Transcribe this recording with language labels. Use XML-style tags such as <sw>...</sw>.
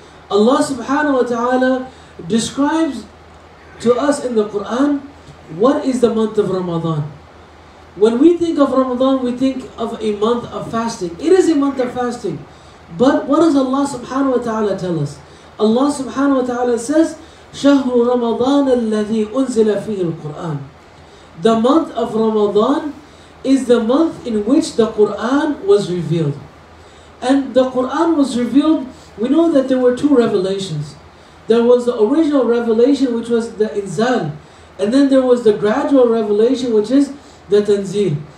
<en>Allah subhanahu wa ta'ala describes to us in the Quran what is the month of Ramadan. When we think of Ramadan, we think of a month of fasting. It is a month of fasting. But what does Allah subhanahu wa ta'ala tell us?</en> <ar>Allah subhanahu wa ta'ala says, شَهْرُ رَمَضَانَ الَّذِي أُنزِلَ فِيهِ الْقُرْآنِ.</ar> <en>The month of Ramadan is the month in which the Quran was revealed. And the Quran was revealed, we know that there were two revelations. There was the original revelation, which was the Inzal. And then there was the gradual revelation, which is the Tanzil.</en>